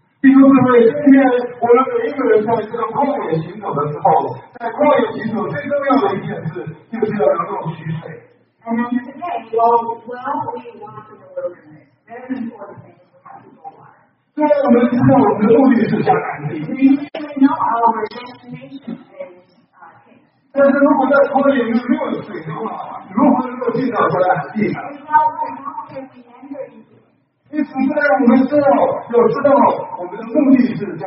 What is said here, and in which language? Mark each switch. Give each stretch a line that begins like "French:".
Chinese: 弟兄姊妹，今天我们每一个人在这个旷野行走的时候，在旷野行走最重要的一件事，就是要能够取水。
English: And then today, while we walk in the wilderness, very important thing is to have water.
Chinese: 虽然我们知道我们的目的是下南地，
English: we know our destination is
Chinese: 但是如果在旷野没有水的话，如何能够进到迦南地？因此，现在我们知道，要知道我们的目的是在